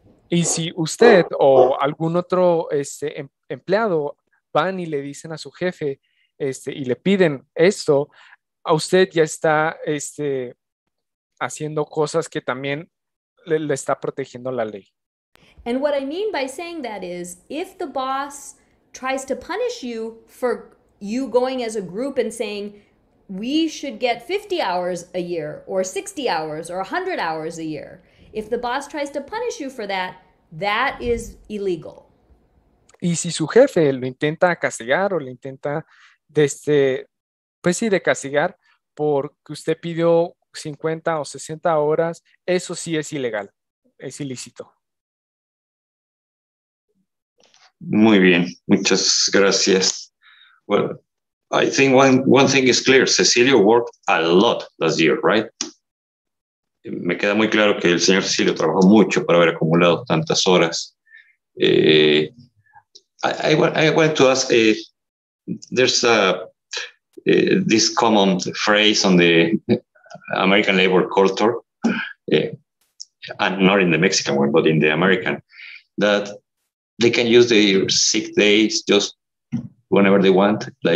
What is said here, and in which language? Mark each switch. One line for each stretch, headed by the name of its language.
Spanish: Y si usted o algún otro empleado van y le dicen a su jefe y le piden esto, a usted ya está haciendo cosas que también le está protegiendo la ley.
English: And what I mean by saying that is, if the boss tries to punish you for you going as a group and saying, we should get 50 hours a year, or 60 hours, or 100 hours a year, if the boss tries to punish you for that, that is illegal.
Spanish: Y si su jefe lo intenta castigar o le intenta de castigar porque usted pidió 50 o 60 horas, eso sí es ilegal, es ilícito. Muy bien, muchas gracias.
English: Well, I think one thing is clear. Cecilio worked a lot last year, right?
Spanish: Me queda muy claro que el señor Cecilio trabajó mucho para haber acumulado tantas horas.
English: I want to ask, there's this common phrase on the American labor culture, and not in the Mexican one, but in the American, that they can use their sick days just whenever they want.